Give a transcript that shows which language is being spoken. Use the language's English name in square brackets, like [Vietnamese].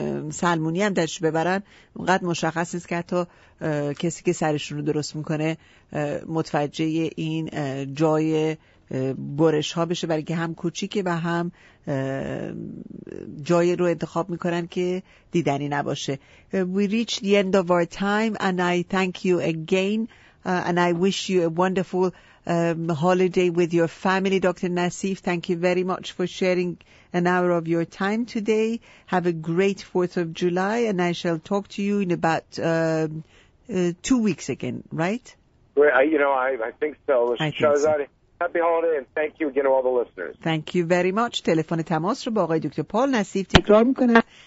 [Persian] سلمونی هم درش ببرن اونقدر مشخص نیست که حتی کسی که سرشون رو درست میکنه متوجه این جای برش ها بشه برای که هم کوچیکه و هم جای رو انتخاب میکنن که دیدنی نباشه. [English] We reached the end of our time and I thank you again and I wish you a wonderful holiday with your family, Dr. Nassif. Thank you very much for sharing an hour of your time today. Have a great 4th of July and I shall talk to you in about 2 weeks again, right? Well, I think so. I think so. Happy holiday and thank you again to all the listeners. Thank you very much. [Persian] تلفن تماس رو با آقای دکتر پال نصیف تکرار میکنم.